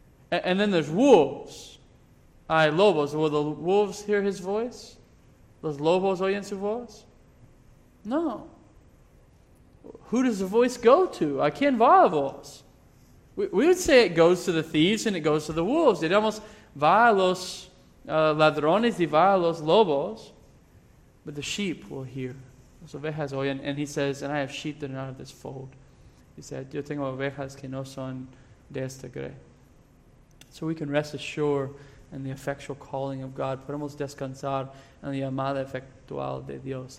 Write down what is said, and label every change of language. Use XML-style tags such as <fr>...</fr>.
<en>And then there's wolves,</en> <es>hay lobos.</es> <en>Will the wolves hear his voice?</en> <es>¿Los lobos oyen su voz? No.</es> <en>Who does the voice go to?</en> <es>¿A quién va la voz?</es> <en>We would say it goes to the thieves and it goes to the wolves.</en> <es>Digamos, va a los ladrones y va a los lobos.</es> <en>But the sheep will hear.</en> <es>Las ovejas oyen.</es> <en>And he says, and I have sheep that are not of this fold. He said,</en> <es>yo tengo ovejas que no son de este grey.</es> <en>So we can rest assured and the effectual calling of God.</en> <es>Podemos descansar en la llamada efectual de Dios.</es>